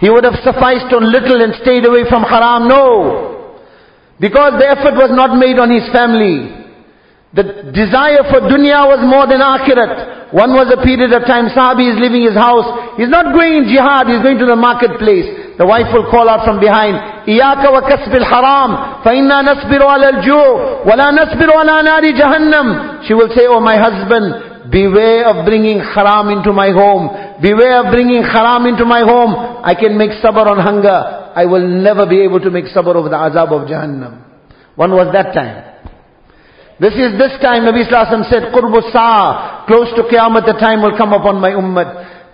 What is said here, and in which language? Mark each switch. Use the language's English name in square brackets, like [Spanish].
[English] He would have sufficed on little and stayed away from haram. No. Because the effort was not made on his family. The desire for dunya was more than akhirat. One was a period of time, Sahabi is leaving his house. He's not going in jihad, he's going to the marketplace. The wife will call out from behind, [Arabic] إِيَّاكَ وَكَسْبِ الْحَرَامِ فَإِنَّا نَصْبِرُ عَلَى الْجُوعِ وَلَا نَصْبِرُ عَلَى نَارِ جَهَنَّمِ. [English] She will say, oh my husband, beware of bringing haram into my home. Beware of bringing haram into my home. I can make sabr on hunger. I will never be able to make sabr over the azab of Jahannam. When was that time? This is this time, Nabi Sallallahu Alaihi Wasallam said, [Arabic] قُرْبُ السَّاعَ, [English] close to Qiyamah, the time will come upon my ummah.